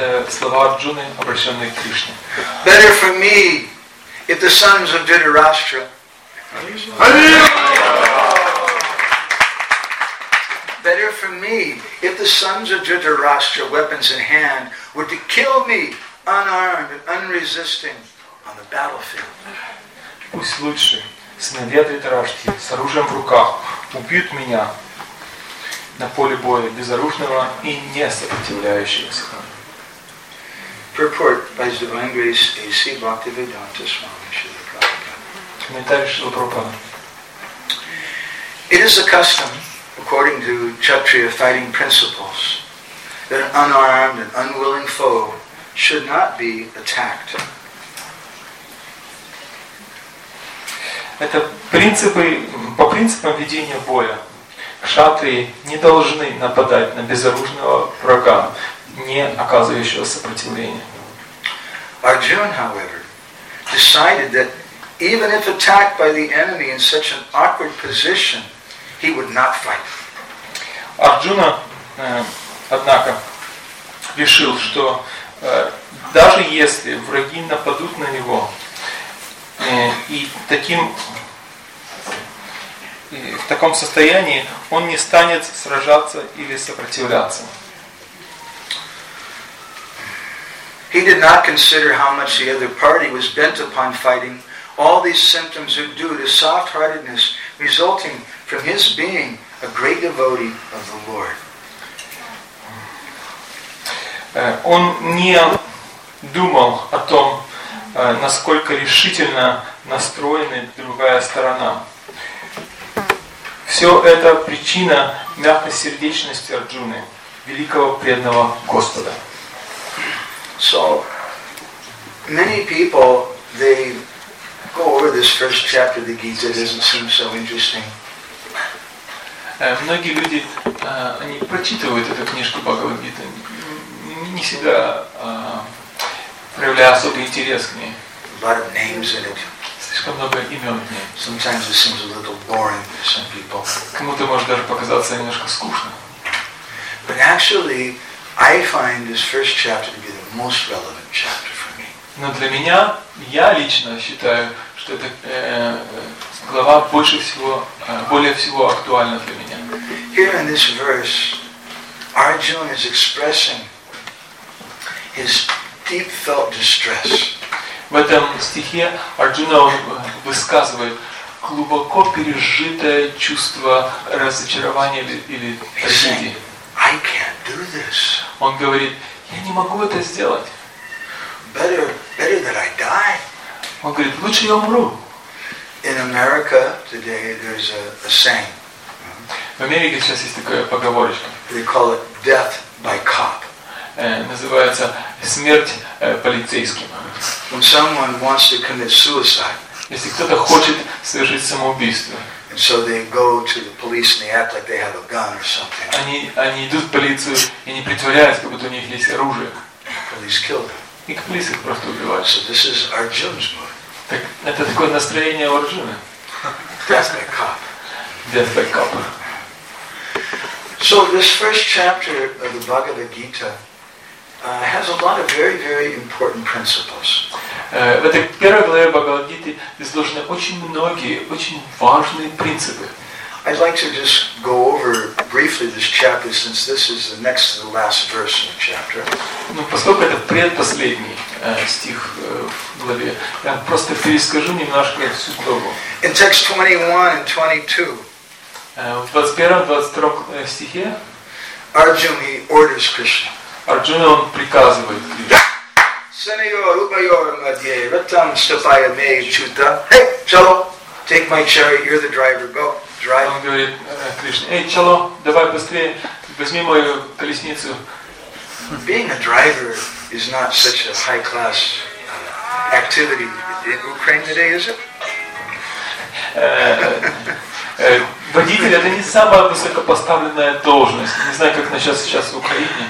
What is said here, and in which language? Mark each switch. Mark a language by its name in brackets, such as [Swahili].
[Russian] Слова Арджуны, обращенные к Кришне. [English] Better for me if the sons of Dhritarashtra Better for me if the sons of Dhritarashtra, weapons in hand, were to kill me unarmed and unresisting on the battlefield. [Russian] Пусть лучше сыновья Дхритарашти с оружием в руках убьют меня на поле боя безоружного и не сопротивляющегося. [English] Purport by His Divine Grace A.C. Bhaktivedanta Swami Srila Prabhupada. It is a custom, according to Kshatriya fighting principles, that an unarmed and unwilling foe should not be attacked. [Russian] Это принципы, по принципам ведения боя, кшатрии не должны нападать на безоружного врага, не оказывающего сопротивления. [English] Arjuna, however, decided that even if attacked by the enemy in such an awkward position, he would not fight. [Russian] Arjuna, однако, решил, что даже если враги нападут на него, и таким, в таком состоянии он не станет сражаться или сопротивляться. [English] He did not consider how much the other party was bent upon fighting. All these symptoms are due to soft-heartedness resulting from his being a great devotee of the Lord. [Russian] Он не думал о том, насколько решительно настроена другая сторона. Все это причина мягкосердечности Арджуны, великого преданного Господа. [English] So many people they go over this first chapter of the Gita. It doesn't seem so interesting. [Russian] Многие люди они прочитывают эту книжку Бхагавад-гиты, не всегда проявляя особый интерес к ней. [English] A lot of names in it. [Russian] Слишком много имен в ней. [English] Sometimes it seems a little boring to some people. [Russian] Кому-то может даже показаться немножко скучно. [English] But actually, I find this first chapter to be the most relevant chapter for me. [Russian] Но для меня, я лично считаю, что эта глава больше всего, более всего актуальна для меня. [English] Here in this verse, Arjuna is expressing his deep felt distress. [Russian] В этом стихе Арджуна высказывает глубоко пережитое чувство разочарования или обиды. [English] I can't do this. [Russian] Он говорит, я не могу это сделать. [English] Better better that I die. [Russian] Он говорит, лучше я умру. [English] In America today there's a saying. [Russian] В Америке сейчас есть такая поговорочка. [English] They call it death by cop. [Russian] Называется смерть полицейским. [English] When someone wants to commit suicide. [Russian] Если кто-то хочет совершить самоубийство. [English] And so they go to the police and they act like they have a gun or something. [Russian] Они идут в полицию и не притворяются, как будто у них есть оружие. [English] Police kill them. [Russian] И полиция просто убивает. [English] So this is Arjun's mood. [Russian] Так, это такое настроение Арджуны. [English] Death by cop. Death by cop. So this first chapter of the Bhagavad Gita has a lot of very, very important principles. [Russian] В этой первой главе Бхагавад Гиты изложены очень многие, очень важные принципы. [English] I'd like to just go over briefly this chapter, since this is the next to the last verse in the chapter. [Russian] Ну, поскольку это предпоследний стих в главе, я просто перескажу немножко всю главу. [English] In text 21 and 22. [Russian] В 21-22 стихе [English] Arjuna orders Krishna. [Russian] Арджуна он приказывает Кришне. Senior, Ubayor, Madhye, Ratam, Stapaya, Mei, Chuta. [English] Hey, Chalo, take my chariot, you're the driver, go, drive. [Russian] Он говорит Кришне, эй, Чало, давай быстрее, возьми мою колесницу. [English] Being a driver is not such a high-class activity in Ukraine today, is it? [Russian] Водитель — это не самая высокопоставленная должность. Не знаю, как сейчас в Украине.